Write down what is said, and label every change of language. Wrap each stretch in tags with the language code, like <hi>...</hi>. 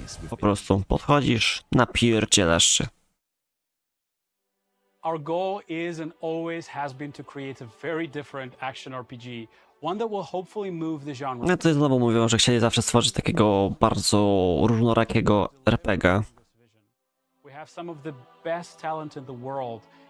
<pl>Po prostu podchodzisz, napierdzielasz się.</pl> <en>Our goal is and always has been to create a very different action RPG, one that will hopefully move the genre.</en> <pl>No to znowu mówią, że chcieli zawsze stworzyć takiego bardzo różnorakiego RPGa.</pl> <en>We have some of the best talent in the world.</en>